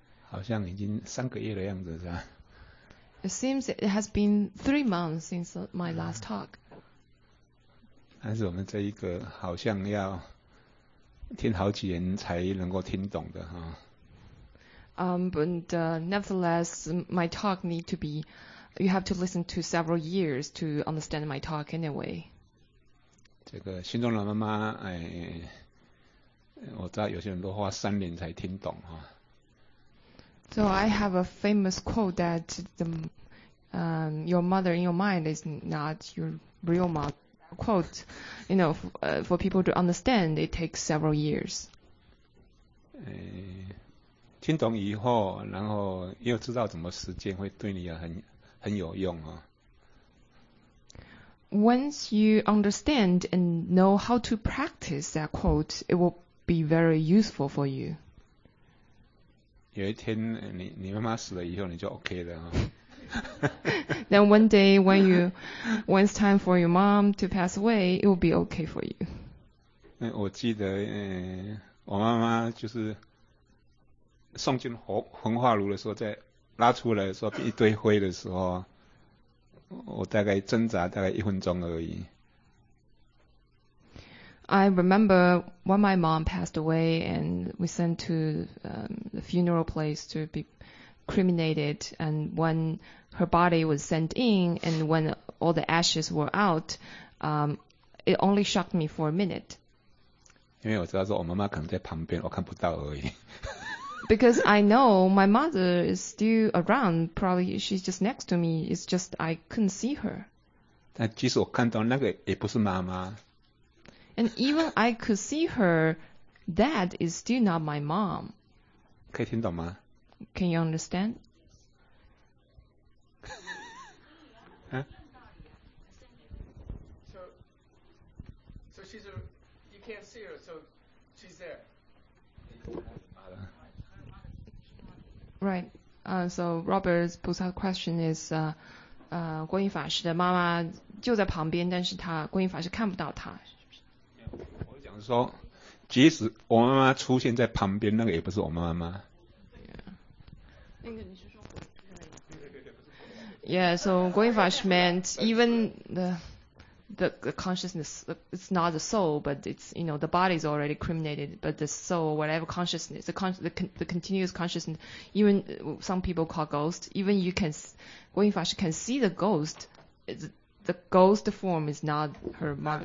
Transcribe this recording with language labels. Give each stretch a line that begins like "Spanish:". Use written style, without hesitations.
Chinese: 好像已经三个月的样子，是吧
English: ？It seems it has been 3 months since my last talk。
Chinese: 但是我们这一个好像要听好几年才能够听懂的哈。
English: But nevertheless, my talk need to be, you have to listen to several years to understand my talk anyway。
Chinese: 这个心中的妈妈，哎，我知道有些人都花3年才听懂哈。
English: So I have a famous quote that the, your mother in your mind is not your real mother. Quote, you know, for people to understand, it takes several years.
Chinese: 听懂以后，然后又知道怎么实践，会对你很有用啊。
English: Once you understand and know how to practice that quote, it will be very useful for you.
Chinese: 有一天你妈妈死了以后，你就 OK 了。
English: Then one day when it's time for your mom to pass away, it will be okay for you.
Chinese: 我记得我妈妈就是送进焚化炉的时候，在拉出来的时候变一堆灰的时候，我大概挣扎大概1分钟而已。
English: I remember when my mom passed away and we sent to the funeral place to be cremated, and when her body was sent in and when all the ashes were out, it only shocked me for a minute.
Chinese: 因为我知道说我妈妈可能在旁边，我看不到而已。
English: Because I know my mother is still around, probably she's just next to me, it's just I couldn't see her.
Chinese: 但即使我看到那个也不是妈妈。
English: And even I could see her, that is still not my mom.
Chinese: 可以听懂吗？
English: Can you understand? So she's you can't see her, so she's there. Right. So Robert's Pusa question is,
Chinese: 观音法师的妈妈就在旁边，但是他观音法师看不到他。我想说，即使我妈妈出现在旁边，那个也不是我妈妈。
English: Yeah.
Chinese: 那个你是说？
English: Yeah. So 观音法师 meant even the consciousness, it's not the soul, but it's, you know, the body is already cremated, but the soul, whatever consciousness, the continuous consciousness, even some people call ghost, even you can, Guo Yinfashi can see the ghost, the ghost form is not her mother.